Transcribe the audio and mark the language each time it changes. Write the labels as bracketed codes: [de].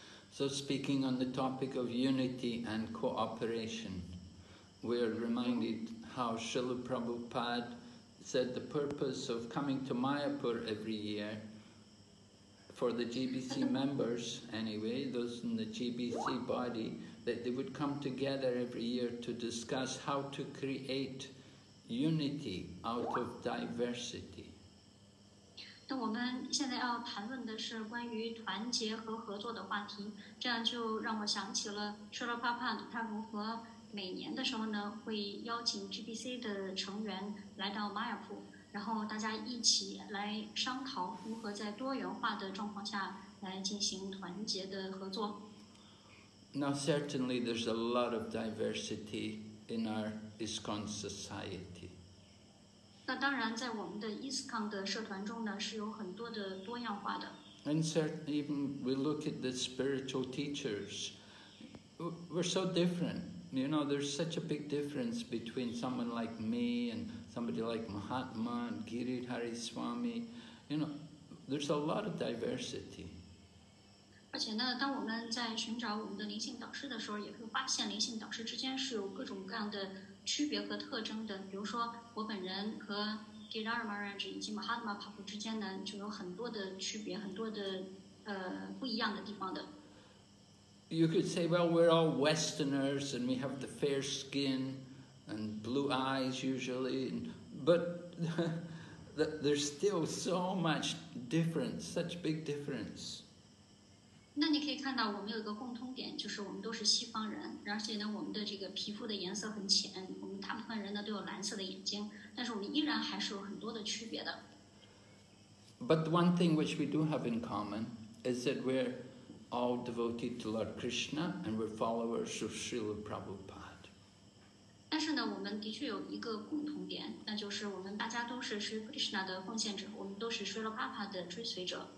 [en] So speaking on the topic of unity and cooperation, we are reminded how Srila Prabhupada said the purpose of coming to Mayapur every year for the GBC members anyway, those in the GBC body, that they would come together every year to discuss how to create unity out of diversity. [zh] 那我们现在要谈论的是关于团结和合作的话题，这样就让我想起了Srila Prabhupada他如何每年的时候呢，会邀请 GBC 的成员来到马尔普，然后大家一起来商讨如何在多元化的状况下来进行团结的合作。 [en] Now certainly there's a lot of diversity in our ISKCON society. [zh] 那当然在我们的 ISKCON 的社团中呢，是有很多的多样化的。 [en] And certainly even we look at the spiritual teachers, we're so different. You know, there's such a big difference between someone like me and somebody like Mahatma and Giridhari Swami. You know, there's a lot of diversity. [zh] 而且呢，当我们在寻找我们的灵性导师的时候，也会发现灵性导师之间是有各种各样的区别和特征的。比如说，我本人和 Giridhara Maharaj 以及 Mahatma Prabhu 之间呢，就有很多的区别，很多的不一样的地方的。 [en] You could say, well, we're all Westerners and we have the fair skin and blue eyes usually, but there's still so much difference, such big difference. [zh] 那你可以看到我们有一个共通点，就是我们都是西方人，而且呢，我们的这个皮肤的颜色很浅，我们大部分人呢都有蓝色的眼睛，但是我们依然还是有很多的区别的。 [en] But the one thing which we do have in common is that we're all devoted to Lord Krishna, and we're followers of Srila Prabhupada. [zh] 但是呢，我们的确有一个共同点，那就是我们大家都是 Sri Krishna 的奉献者，我们都是 Srila Prabhupada 的追随者。